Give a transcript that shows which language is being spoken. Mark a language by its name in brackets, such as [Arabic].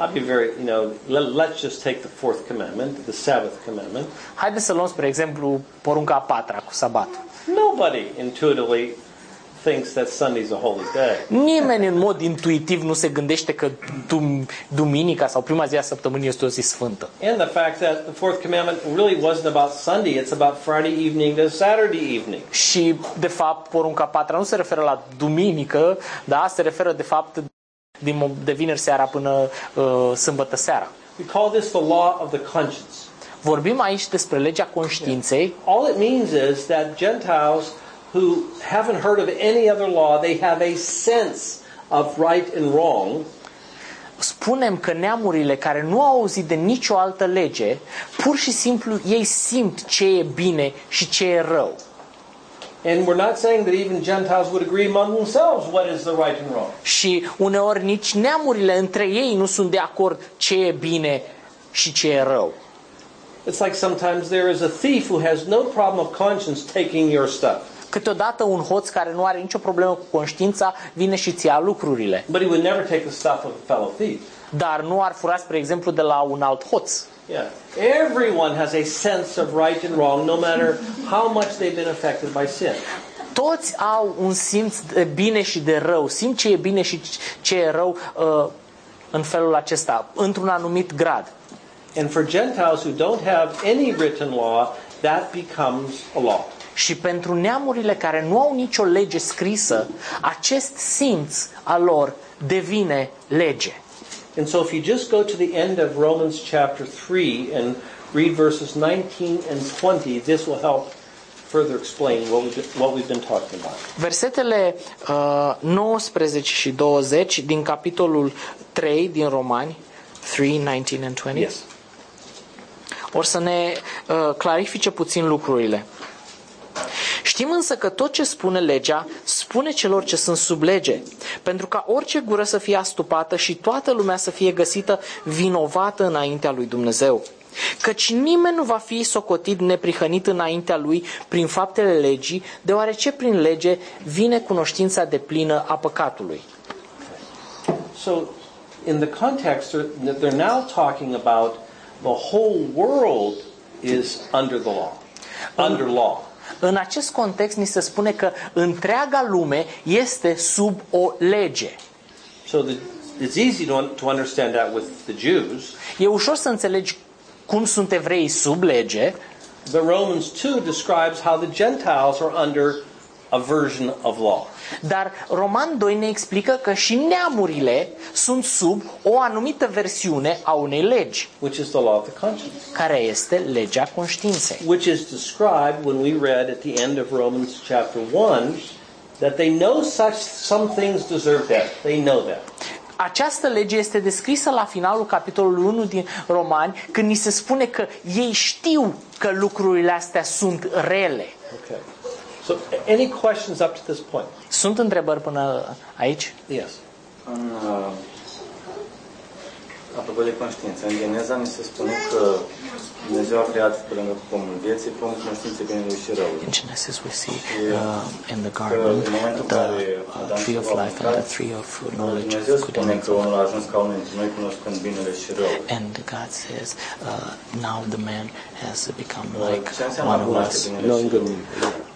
[English] I'll be very, you know, let's just take the fourth commandment, the Sabbath commandment. [Romanian] Haideți să luăm spre exemplu porunca a patra cu sabatul. [English] Nobody intuitively thinks that Sunday's a holy day. [Romanian] Nimeni în mod intuitiv nu se gândește că duminica sau prima zi a săptămânii este o zi sfântă. [English] And the fact that the fourth commandment really wasn't about Sunday, it's about Friday evening to Saturday evening. [Romanian] Și de fapt porunca a patra nu se referă la duminică, dar se referă de fapt de vineri seara până sâmbătă seara. [English] We call this the law of the conscience. [Romanian] Vorbim aici despre legea conștiinței. [English] All it means is that Gentiles who haven't heard of any other law, they have a sense of right and wrong. [Romanian] Spunem că neamurile care nu au auzit de nicio altă lege, pur și simplu ei simt ce e bine și ce e rău. [English] And we're not saying that even Gentiles would agree among themselves what is the right and wrong. [Romanian] Și uneori nici neamurile între ei nu sunt de acord ce e bine și ce e rău. [English] It's like sometimes there is a thief who has no problem of conscience taking your stuff. [Romanian] Câteodată un hoț care nu are nicio problemă cu conștiința vine și ți-a lucrurile. [English] But he would never take the stuff of a fellow thief. [Romanian] Dar nu ar fura, spre exemplu, de la un alt hoț. [English] Yeah. Everyone has a sense of right and wrong, no matter how much they've been affected by sin. [Romanian] Toți au un simț de bine și de rău. Simt ce e bine și ce e rău în felul acesta, într-un anumit grad. [English] And for Gentiles who don't have any written law, that becomes a law. [Romanian] Și pentru neamurile care nu au nicio lege scrisă, acest simț al lor devine lege. [English] And so if you just go to the end of Romans chapter 3 and read verses 19 and 20, this will help further explain what we've been talking about. [Romanian] Versetele 19 și 20 din capitolul 3 din Romani, 3, [English] 19 and 20, yes. [Romanian] Or să ne clarifice puțin lucrurile. Știm însă că tot ce spune legea, spune celor ce sunt sub lege, pentru ca orice gură să fie astupată și toată lumea să fie găsită vinovată înaintea lui Dumnezeu. Căci nimeni nu va fi socotit neprihănit înaintea lui prin faptele legii, deoarece prin lege vine cunoștința deplină a păcatului. [English] So, in the context, they're now talking about the whole world is under the law. Under law. [Romanian] În acest context ni se spune că întreaga lume este sub o lege. [English] So it's easy to understand that with the Jews. [Romanian] E ușor să înțelegi cum sunt evreii sub lege. [English] The Romans 2 describes how the Gentiles are under a version of law. [Romanian] Dar Roman 2 ne explică că și neamurile sunt sub o anumită versiune a unei legi. [English] Which is the law of the conscience. [Romanian] Care este legea conștiinței. [English] Which is described when we read at the end of Romans chapter 1 that they know such some things deserve death. They know that. [Romanian] Această lege este descrisă la finalul capitolului 1 din Romani, când ni se spune că ei știu că lucrurile astea sunt rele. [English] Okay. So, any questions up to this point? [Romanian] Sunt întrebări până aici? [English] Yes. [Romanian] Apropo de conștiință, în Geneza ni se spune că Dumnezeu a creat pe lângă pomul vieții, pomul conștiinței binelui și răului. [English] In Genesis we see in the garden the tree of life and the tree of knowledge of good and evil. And God says, now the man has become like one who has known good and evil.